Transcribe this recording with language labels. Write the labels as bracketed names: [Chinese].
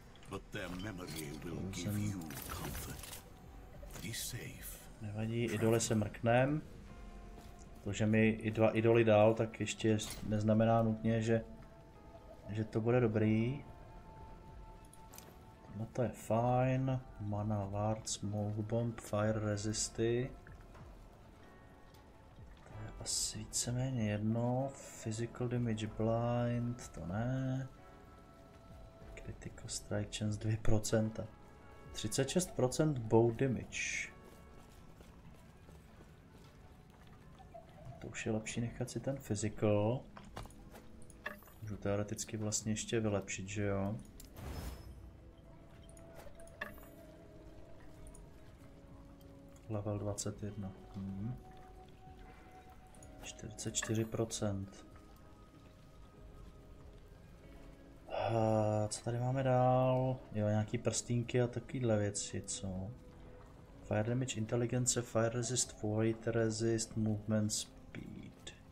[English] But their memory will give you comfort. Be safe. [Czech] Nevadí, idoly se mrknem. To, že mi i dva idoly dál, tak ještě neznamená nutně, že to bude dobrý. No to je fajn. [English] Mana Ward, Smoke Bomb, Fire Resisty. [Czech] To je asi víceméně jedno. [English] Physical Damage Blind, [Czech] to ne. [English] Critical Strike Chance 2%. 36% Bow Damage. [Czech] To už je lepší nechat si ten Physical. Můžu teoreticky vlastně ještě vylepšit, že jo? [English] Level 21. 44%. [Czech] Co tady máme dál? Jo, nějaký prstínky a takovýhle věci, co? [English] Fire Damage, Intelligence, Fire Resist, Void Resist, Movement Speed.